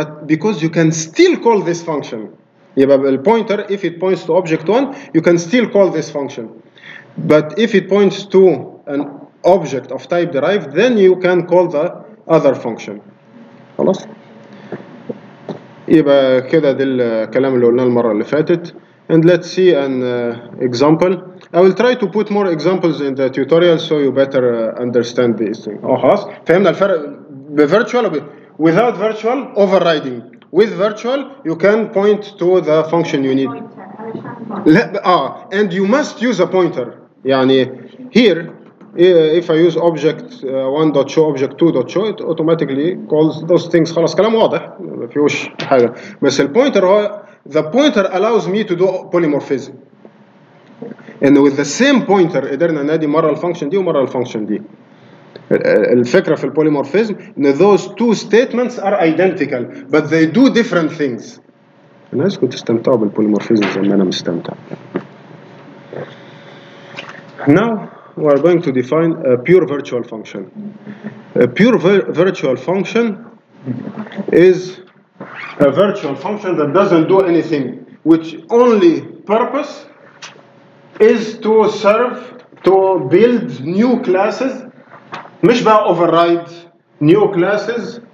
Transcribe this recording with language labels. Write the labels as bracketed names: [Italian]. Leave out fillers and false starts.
[English] But because you can still call this function. You have a pointer, if it points to object one, you can still call this function. But if it points to an object of type derived, then you can call the other function. [Arabic] خلاص؟ يبقى كده ده الكلام اللي قلناه المرة اللي فاتت. [English] And let's see an example. I will try to put more examples in the tutorial so you better understand this thing. [Arabic] Oh, خلاص فهمنا الفرق ب virtual [English] without virtual overriding. With virtual you can point to the function you need. And you must use a pointer. يعني here if I use object 1.show object 2.show it automatically calls those things. [Arabic] خلاص كلام واضح ما فيهوش حاجة. بس البوينتر هو [English] the pointer allows me to do polymorphism. And with the same pointer, [Arabic] قدرنا نادي مرة الفانكشن دي ومرة الفانكشن دي. الفكرة في البوليمورفيزم إن [English] those two statements are identical, but they do different things. [Arabic] الناس كنت استمتعوا بالبوليمورفيزم زي ما أنا مستمتع. [English] Now we are going to define a pure virtual function. A pure virtual function is a virtual function that doesn't do anything, which only purpose is to serve, to build new classes, [Arabic] مش بقى [English] override new classes,